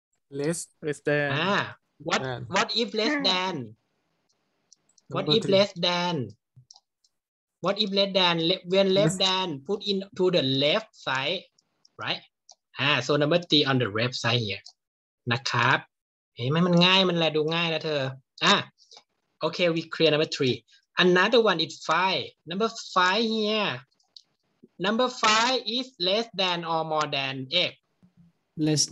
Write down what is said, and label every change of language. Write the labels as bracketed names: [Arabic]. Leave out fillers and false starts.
[English] Less than. What if less than? What if less than? When less than, put in to the left side, right? So number three on the left side here. [Thai] นะครับ เฮ้ย มันง่าย มันแหละ ดูง่ายนะ เธอ [English] Okay, we clear number three. Another one is five. Number five here. Number five is less than or more than x.